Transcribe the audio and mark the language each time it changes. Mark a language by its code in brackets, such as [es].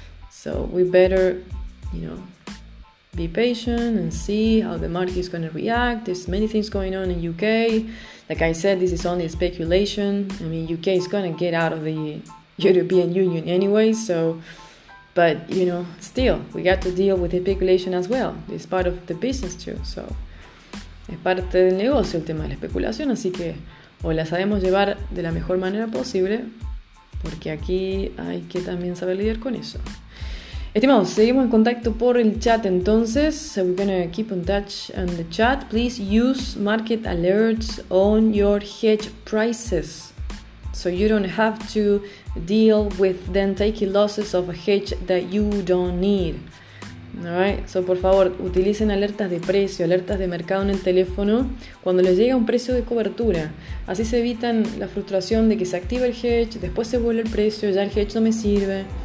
[en] So we better, you know, be patient and see how the market is going to react. There's many things going on in UK. Like I said, this is only a speculation. I mean, UK is going to get out of the European Union anyway, so, but, you know, still, we got to deal with the speculation as well. It's part of the business too, so. [es] Es parte del negocio el tema de la especulación, así que o la sabemos llevar de la mejor manera posible, porque aquí hay que también saber lidiar con eso. Estimados, seguimos en contacto por el chat entonces. [en] So we're going to keep in touch on the chat. Please use market alerts on your hedge prices, so you don't have to deal with then taking losses of a hedge that you don't need. [es] Alright, so por favor, utilicen alertas de precio, alertas de mercado en el teléfono cuando les llega un precio de cobertura. Así se evitan la frustración de que se activa el hedge, después se vuelve el precio, ya el hedge no me sirve.